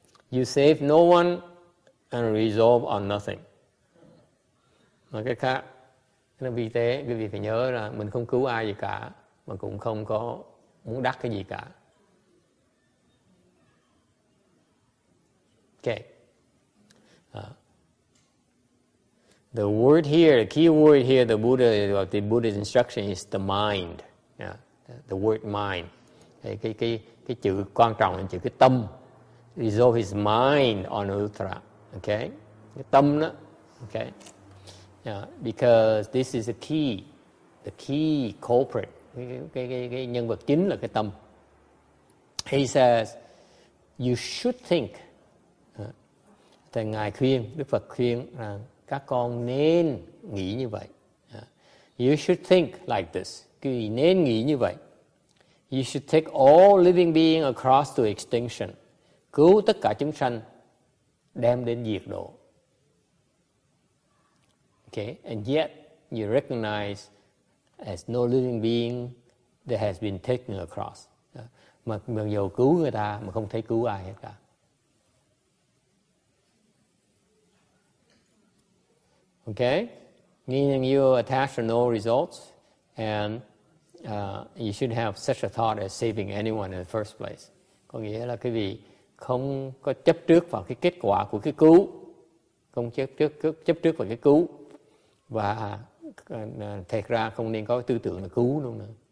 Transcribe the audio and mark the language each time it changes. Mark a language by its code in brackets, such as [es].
[en] You save no one and resolve on nothing. [vi] Mà cái khác, nó vì thế, quý vị phải nhớ là mình không cứu ai gì cả, mà cũng không có muốn đắc cái gì cả. [en] Okay. The word here, the key word here, the Buddha's instruction is the mind. Yeah, the word mind. [vi] Cái chữ quan trọng là chữ cái tâm. [en] Resolve his mind on Uttara. [vi] Okay, cái tâm đó. Okay, yeah. [en] Because this is the key culprit, [vi] cái nhân vật chính là cái tâm. [en] He says, you should think. [vi] Thầy ngài khuyên, Đức Phật khuyên rằng các con nên nghĩ như vậy. [en] You should think like this. [vi] Quý vị nên nghĩ như vậy. [en] You should take all living beings across to extinction. [vi] Cứu tất cả chúng sanh. Đem đến diệt độ. [en] Okay, and yet you recognize as no living being that has been taken across. [vi] Mặc dù cứu người ta mà không thấy cứu ai hết cả. [en] Okay, meaning you attach to no results, and you should have such a thought as saving anyone in the first place. [vi] Có nghĩa là quý vị không có chấp trước vào cái kết quả của cái cứu, không chấp trước vào cái cứu, và thật ra không nên có tư tưởng là cứu luôn nữa.